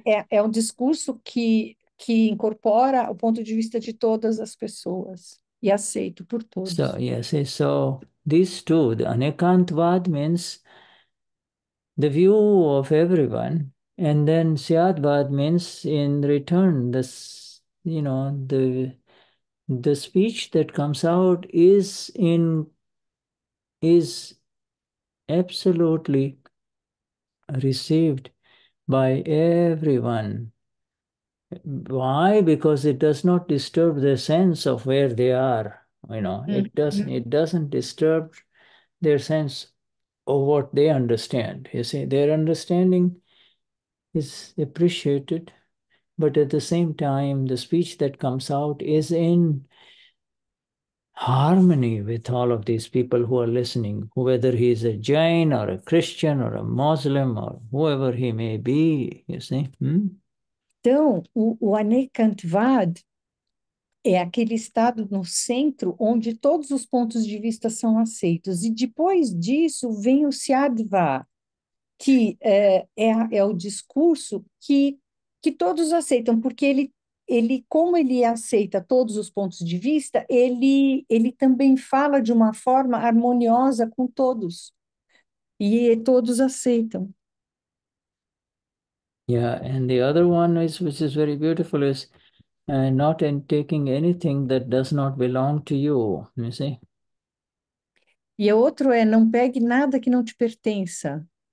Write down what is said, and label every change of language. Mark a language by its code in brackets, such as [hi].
[pt] É um discurso que incorpora o ponto de vista de todas as pessoas e aceito por [en] So, [pt] todos. [en] yes, so these two, the Anekantvad means the view of everyone, and then Siddhvad means in return, this, the speech that comes out is absolutely received by everyone. Why? Because it does not disturb the sense of where they are. It doesn't disturb their sense of what they understand. You see, their understanding is appreciated, but at the same time, the speech that comes out is in harmony with all of these people who are listening, whether he is a Jain or a Christian or a Muslim or whoever he may be, you see. [pt] Então, o Anekantvad é aquele estado no centro onde todos os pontos de vista são aceitos. E depois disso vem o Siddhva, que é o discurso que todos aceitam, porque como ele aceita todos os pontos de vista, ele também fala de uma forma harmoniosa com todos. E todos aceitam. [en] Yeah, and the other one is, which is very beautiful, is not in taking anything that does not belong to you. You see? [pt] E outro é não pegue nada que não te pertença.